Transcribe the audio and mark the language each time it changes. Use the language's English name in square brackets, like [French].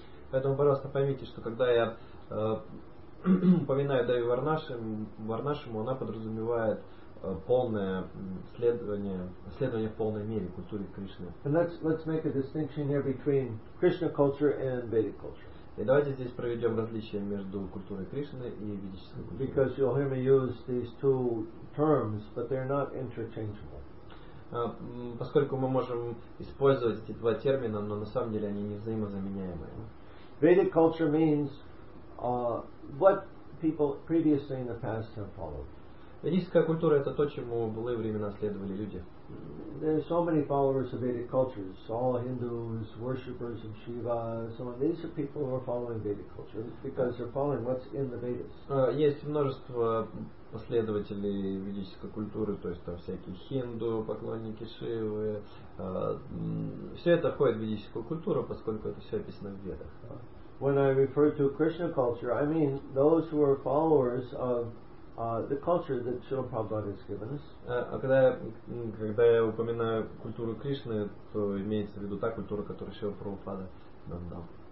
[Russian] Поэтому, пожалуйста, поймите, что когда я упоминаю Дайви Варнашраму, она подразумевает полное следование в полной мере культуре Кришны. [English] And let's make a distinction here between Krishna culture and Vedic culture. [Russian] И давайте здесь проведем различие между культурой Кришны и ведической культурой. [English] Because you'll hear me use these two terms, but they're not interchangeable. [Russian] Поскольку мы можем использовать эти два термина, но на самом деле они не взаимозаменяемые. [English] Vedic culture means what people previously in the past have followed. [Russian] Ведическая культура — это то, чему былые времена следовали люди. [English] There are so many followers of Vedic cultures, all Hindus, worshippers of Shiva, so on. These are people who are following Vedic culture because they're following what's in the Vedas. [Russian] Есть множество последователей ведической культуры, то есть там всякие хинду, поклонники Шивы. Все это входит в ведическую культуру, поскольку это все описано в Ведах. [English] When I refer to Krishna culture, I mean those who are followers of the culture that Srila Prabhupada has given us. [Russian] Когда я упоминаю культуру Кришны, то имеется в виду та культура, которую Шрила Прабхупада нам дал.